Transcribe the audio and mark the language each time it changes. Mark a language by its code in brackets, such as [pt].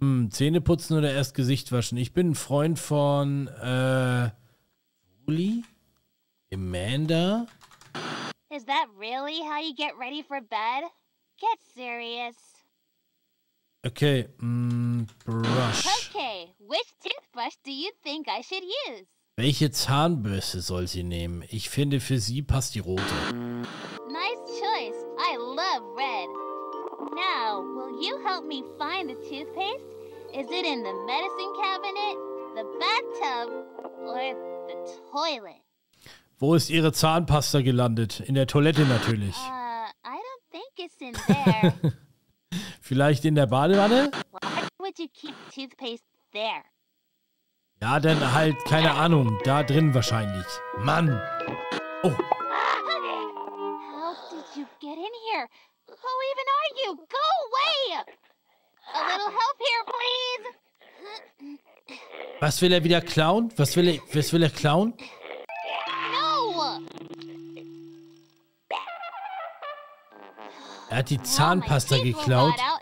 [de] Zähne putzen oder erst Gesicht waschen? Ich bin ein Freund von Julie? Amanda? [en] Is that really how you get ready for bed? Get serious. Okay, brush. Okay, which toothbrush do you think I should use? [de] Welche Zahnbürste soll sie nehmen? Ich finde, für sie passt die rote. [en] Nice choice. I love red. Now, will you help me find the toothpaste? Is it in the medicine cabinet, the bathtub or the toilet? [de] Wo ist Ihre Zahnpasta gelandet? In der Toilette natürlich. [en] I don't think it's in there. [de] Vielleicht in der Badewanne? [en] Why would you keep toothpaste there? [de] Ja, dann halt, keine Ahnung, da drin wahrscheinlich. Mann! Oh! [en] How did you get in here? Who even are you? Go away! A little help here, please! [de] Was will er wieder klauen? Was will er klauen? [en] No! [de] Er hat die Zahnpasta geklaut.